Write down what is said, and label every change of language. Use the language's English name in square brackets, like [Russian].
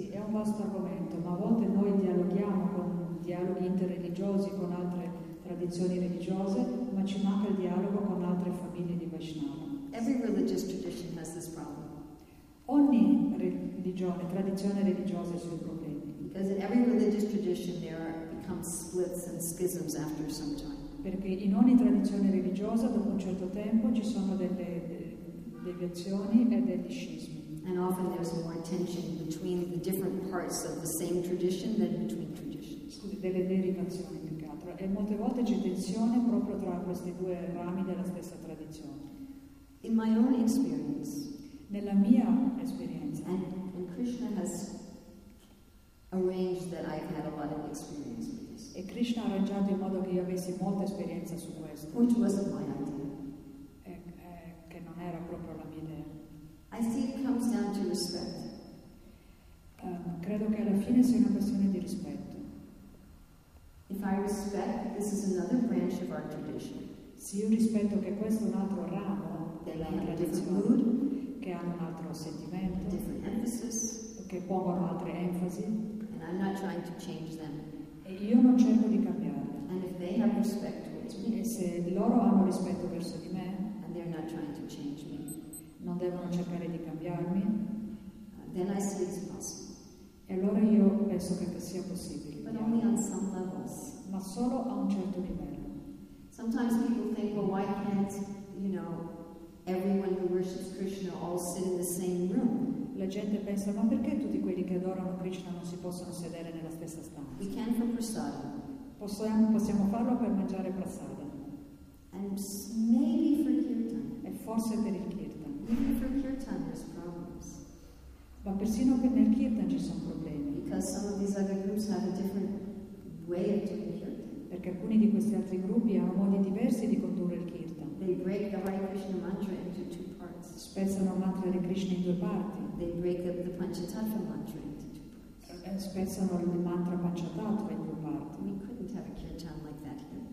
[Italian] vasto argomento, ma a volte noi dialoghiamo con dialoghi interreligiosi, con altre tradizioni religiose, ma ci manca il dialogo con altre famiglie di Vaishnava. [English] Every religious tradition has this problem. [Italian] Ogni religione, tradizione religiosa ha i suoi problemi. [English] Because in every religious tradition there become splits and schisms after some time. [Italian] Perché in ogni tradizione religiosa, dopo un certo tempo, ci sono delle deviazioni e degli scismi. [English] And often there's more tension between the different parts of the same tradition than between traditions. [Italian] Scusi, delle derivazioni più che altro. E molte volte c'è tensione proprio tra questi due rami della stessa tradizione. [English] In my own experience, [Italian] nella mia esperienza, [English] and Krishna has arranged that I've had a lot of experience. [Italian] E Krishna ha arrangiato in modo che io avessi molta esperienza su questo. [English] Which wasn't my idea. [Italian] Che non era proprio la mia idea. [English] I see it comes down to respect. [Italian] Credo che alla fine sia una questione di rispetto. [English] If I respect, this is another branch of our tradition. [Italian] Se io rispetto che questo è un altro ramo della tradizione, che ha un altro sentimento, che pongono altre enfasi, [English] and I'm not trying to change them. [Italian] E io non cerco di cambiarle. [English] And if they have respect towards me, [Italian] e se loro hanno rispetto verso di me, [English] and they're not trying to change me, [Italian] non devono cercare di cambiarmi, [English] then I see it's possible. [Italian] E allora io penso che sia possibile. [English] But only on some levels. [Italian] Ma solo a un certo livello. [English] Sometimes people think, well, why can't, you know, everyone who worships Krishna all sit in the same room? [Italian] La gente pensa, ma perché tutti quelli che adorano Krishna non si possono sedere nella stessa stanza? [English] We can for prasada. [Italian] Possiamo farlo per mangiare prasada. [English] And maybe for kirtan. [Italian] E forse per il kirtan. [English] Maybe for kirtan there's problems. [Italian] Ma persino per nel kirtan ci sono problemi. [English] Because some of these other groups have a different way of doing kirtan. [Italian] Perché alcuni di questi altri gruppi hanno modi diversi di condurre il kirtan. [English] They break the Hare Krishna mantra into two parts. [Italian] Spezzano il mantra di Krishna in due parti. [English] They break up the Panchatattva mantra into two parts. [Italian] Spezzano il mantra Panchatattva in due parti. [English] We couldn't have a kirtan like that here.